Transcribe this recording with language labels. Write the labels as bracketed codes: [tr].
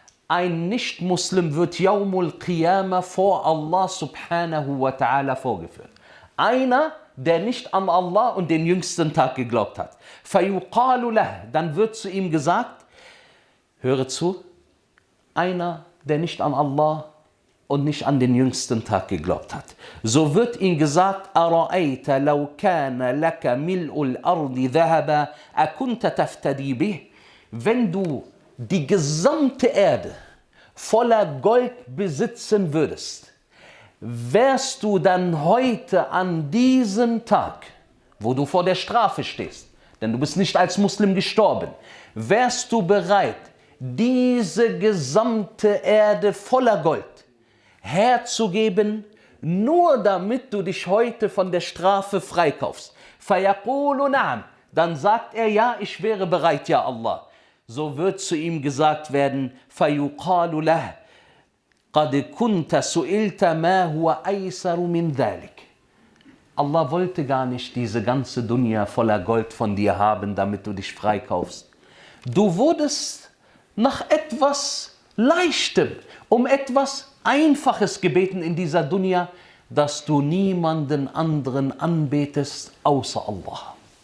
[de] Ein Nicht-Muslim wird Yawmul Qiyamah vor Allah subhanahu wa ta'ala vorgeführt. Einer, der nicht an Allah und den jüngsten Tag geglaubt hat. [ar] فَيُقَالُ لَهُ, [de] dann wird zu ihm gesagt, höre zu, einer, der nicht an Allah und nicht an den jüngsten Tag geglaubt hat. So wird ihm gesagt, [ar] أَرَأَيْتَ لَوْ كَانَ لَكَ مِلْءُ الْأَرْضِ ذَهَبَا أَكُنْتَ تَفْتَدِي بِهِ. [de] Wenn du die gesamte Erde voller Gold besitzen würdest, wärst du dann heute an diesem Tag, wo du vor der Strafe stehst, denn du bist nicht als Muslim gestorben, wärst du bereit, diese gesamte Erde voller Gold herzugeben, nur damit du dich heute von der Strafe freikaufst? [ar] فَيَقُولُ نَعَمْ, [de] dann sagt er, ja, ich wäre bereit, ja Allah. So wird zu ihm gesagt werden, [ar] فَيُقَالُ لَهُ قَدْ كُنْتَ سُئِلْتَ مَا هُوَ أَيْسَرُ مِنْ ذَلِكَ. [de] Allah wollte gar nicht diese ganze Dunya voller Gold von dir haben, damit du dich freikaufst. Du wurdest nach etwas Leichtem, um etwas Einfaches gebeten in dieser Dunya, dass du niemanden anderen anbetest außer Allah.